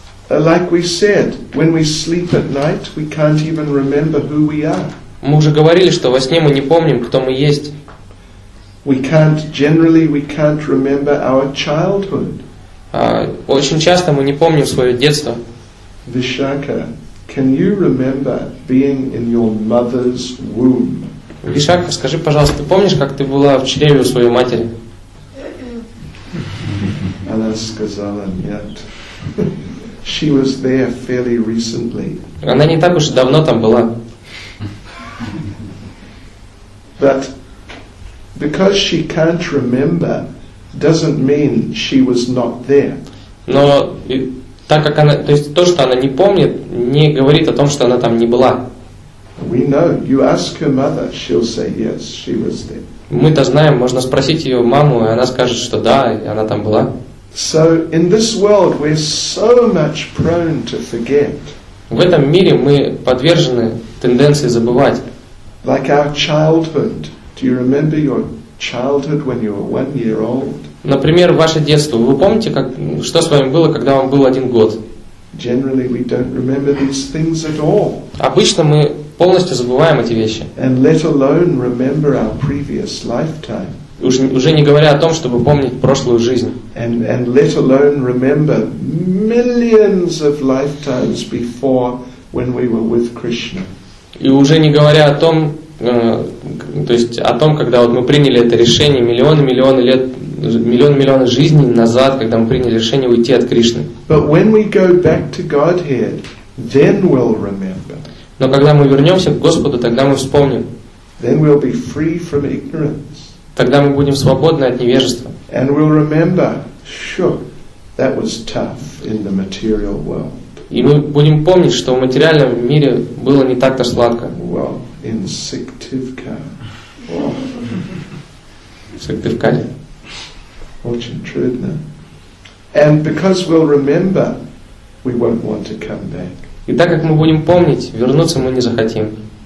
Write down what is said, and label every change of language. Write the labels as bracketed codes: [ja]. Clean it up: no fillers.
[ru] Мы уже говорили, что во сне мы не помним, кто мы есть. [en] We can't remember our childhood. [ru] Очень часто мы не помним свое детство. [en] Vishakha, can you remember being in your mother's womb? [ru] Vishakha, скажи, пожалуйста, ты помнишь, как ты была в чреве у своей матери? Она сказала нет. [en] She was there fairly recently. [ru] Она не так уж давно там была. [en] But because she can't remember doesn't mean she was not there. [ru] Но так как она, то есть то, что она не помнит, не говорит о том, что она там не была. [en] We know. You ask her mother, she'll say yes, she was there. [ru] Мы-то знаем, можно спросить ее маму, и она скажет, что да, и она там была. [en] So in this world we're so much prone to forget. [ru] В этом мире мы подвержены тенденции забывать. [en] Like our childhood. Do you remember your childhood when you were 1 year old? [ru] Например, ваше детство. Вы помните, как, что с вами было, когда вам был один год? [en] Generally, we don't remember these things at all. [ru] Обычно мы полностью забываем эти вещи. [en] And let alone remember our previous lifetime. [ru] уже не говоря о том, чтобы помнить прошлую жизнь. [en] And let alone remember millions of lifetimes before when we were with Krishna. [ru] И уже не говоря о том, то есть о том, когда вот мы приняли это решение миллионы-миллионы лет, миллионы-миллионы жизней назад, когда мы приняли решение уйти от Кришны. [en] But when we go back to Godhead, then we'll remember. [ru] Но когда мы вернемся к Господу, тогда мы вспомним. [en] Then we'll be free from ignorance. [ru] Тогда мы будем свободны от невежества. [en] And we'll remember, sure, that was tough in the material world. [ru] И мы будем помнить, что в материальном мире было не так-то сладко. [en] Well, in Сыктывкаре. [ru] В Сыктывкаре. Очень трудно. [en] And because we'll remember, we won't want to come back. [ru] И так как мы будем помнить, вернуться мы не захотим.